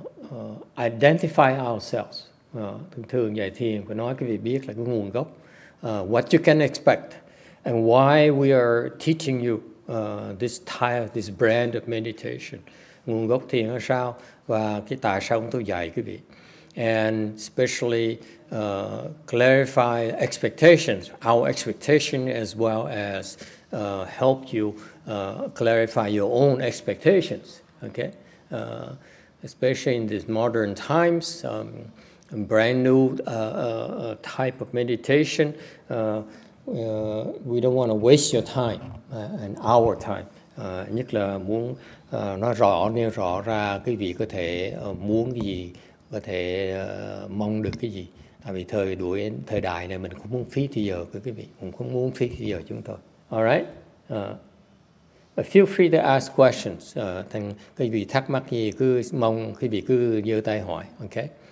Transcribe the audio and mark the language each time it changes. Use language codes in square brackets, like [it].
[en] We identify ourselves. [vi] Thường thường dạy thiền, quý nói quý vị biết là cái nguồn gốc. [en] What you can expect and why we are teaching you this type, this brand of meditation. [vi] Nguồn gốc thiền là sao và cái tại sao chúng tôi dạy quý vị. [en] And especially clarify expectations, our expectation as well as help you clarify your own expectations. Okay? Especially in these modern times, brand new type of meditation, we don't want to waste your time and our time. [vi] Nhất là muốn nói rõ, nêu rõ ra quý vị có thể muốn cái gì, có thể mong được cái gì. Tại vì thời đại này mình cũng muốn phí thời giờ của quý vị, cũng không muốn phí thời giờ chúng tôi. All right? [en] Feel free to ask questions. [vi] Quý vị thắc mắc gì, cứ mong quý vị cứ giơ tay hỏi. Okay?